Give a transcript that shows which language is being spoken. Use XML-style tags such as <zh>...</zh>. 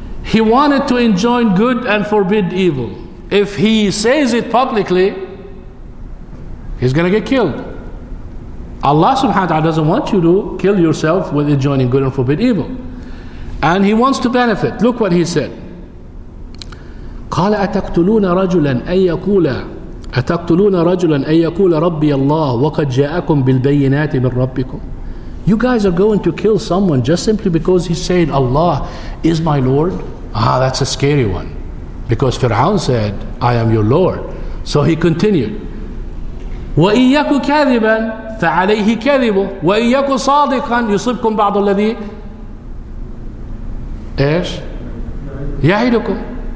<en>He wanted to enjoin good and forbid evil. If he says it publicly, he's going to get killed. Allah subhanahu wa ta'ala doesn't want you to kill yourself with enjoining good and forbid evil. And he wants to benefit. Look what he said.</en> <ar>قال أتقتلون رجلا أن يقول أتقتلون رجلا أن يقول ربي الله وقد جاءكم بالبينات من ربكم.</ar> <en>You guys are going to kill someone just simply because he said Allah is my Lord? That's a scary one. Because Fir'aun said, I am your Lord. So he continued.</en> <ar>وَإِنْ يَكُ كَذِبًا فَعَلَيْهِ كَذِبُ وَإِنْ يَكُ صَادِقًا يُصِبْكُمْ بَعْضُ الَّذِي إيش؟ يَعِدُكُمْ.</ar>